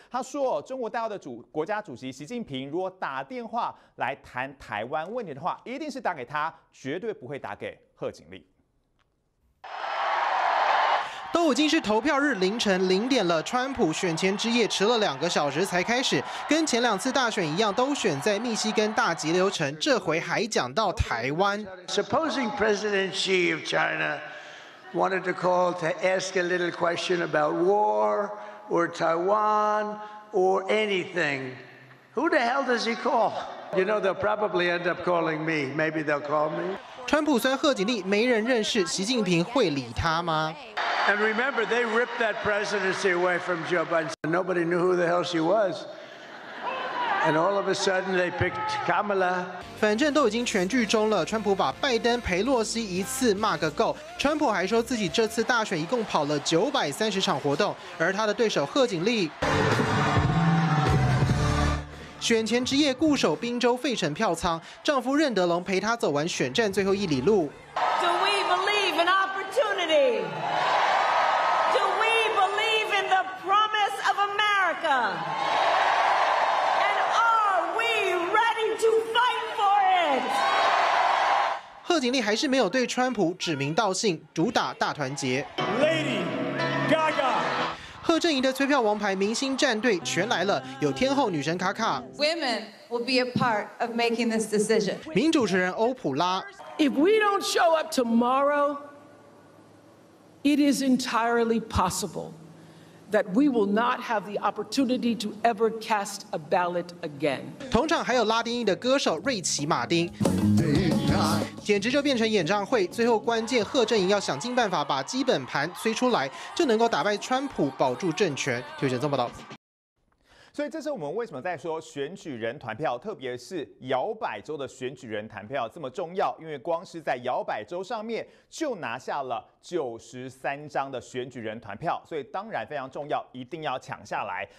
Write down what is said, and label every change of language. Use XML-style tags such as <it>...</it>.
<zh>他说哦，中国大陆的国家主席习近平如果打电话来谈台湾问题的话，一定是打给他，绝对不会打给贺锦丽。都已经是投票日凌晨0点了，川普选前之夜迟了2个小时才开始，跟前2次大选一样，都选在密西根大急流城，这回还讲到台湾。</zh> <en>Supposing President Xi of China wanted to call to ask a little question about war or Taiwan or anything, who the hell does he call? You know they'll probably end up calling me. Maybe they'll call me.</en> <zh>川普虽然贺锦丽没人认识，习近平会理他吗？</zh> <en>And remember, they ripped that presidency away from Joe Biden. Nobody knew who the hell she was. And all of a sudden, they picked Kamala.</en> <zh>反正都已经全剧终了，川普把拜登陪洛西一次骂个够。川普还说自己这次大选一共跑了930场活动，而他的对手贺锦丽。选前之夜固守宾州费城票仓，丈夫任德龙陪她走完选战最后一里路。</zh> <en>Do we believe in opportunity? Do we believe in the promise of America? And are we ready to fight for it?</en> <zh>贺锦丽还是没有对川普指名道姓，主打大团结。 Lady Gaga。贺阵营的催票王牌明星战队全来了，有天后女神卡卡。</zh> <en>Women will be a part of making this decision.</en> <zh>名主持人欧普拉。</zh> <en>If we don't show up tomorrow, it is entirely possible that we will not have the opportunity to ever cast a ballot again.</en> <zh>同场还有拉丁裔的歌手瑞奇马丁。简直就变成演唱会，最后关键贺阵营要想尽办法把基本盘催出来，就能够打败川普，保住政权。就这么报道。所以这是我们为什么在说选举人团票，特别是摇摆州的选举人团票这么重要，因为光是在摇摆州上面就拿下了93张的选举人团票，所以当然非常重要，一定要抢下来。</zh>